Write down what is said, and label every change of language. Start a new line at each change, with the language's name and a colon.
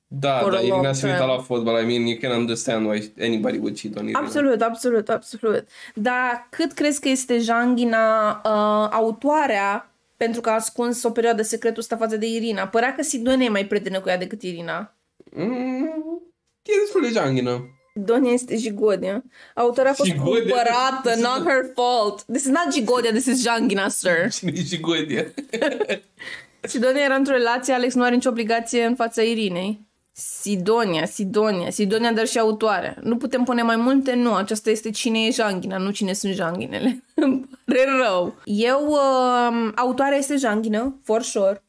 Romanian: Da, da, Irina se uita la fotbal,
English: I mean, you can understand why anybody would cheat on Irina.
Romanian: Absolut, absolut, absolut. Dar cât crezi că este Janghina autoarea? Pentru că a ascuns o perioadă secretul ăsta față de Irina. Părea că Sidonia e mai prietenă cu ea decât Irina. E destul de Janghina. Donia este Jigodia. Autora a fost cumpărată,
English: not her fault. This is not Jigodia, this is Jangina, sir.
Romanian: Cine e Jigodia? Sidonia era într-o relație, Alex nu are nicio obligație în fața Irinei. Sidonia, dar și autoare. Nu putem pune mai multe? Nu, aceasta este cine e Jangina, nu cine sunt Janginele. Îmi pare rău. Eu, autoarea este Jangina,
English: for sure.